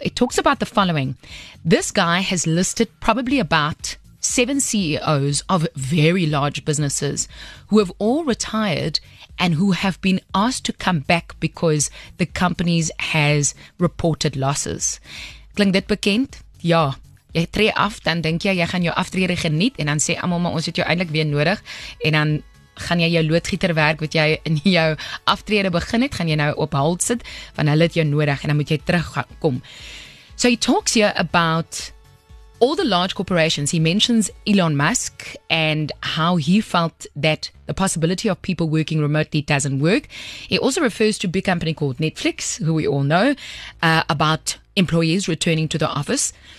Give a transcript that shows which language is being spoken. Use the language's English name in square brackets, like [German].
[English] It talks about the following. This guy has listed probably about 7 CEOs of very large businesses who have all retired and who have been asked to come back because the companies has reported losses. [Afrikaans] Klink dit bekend? Ja. Jy tree af, dan denk jy, jy gaan jou aftrede geniet en dan sê almal, maar ons het jou eindelijk weer nodig en dan gaan jy jou loodgieterwerk wat jy in jou aftrede begin het, gaan jy nou op hold sit, want hulle het jou nodig en dan moet jy terugkom. [English] So he talks here about all the large corporations. He mentions Elon Musk and how he felt that the possibility of people working remotely doesn't work. He also refers to a big company called Netflix, who we all know, about employees returning to the office.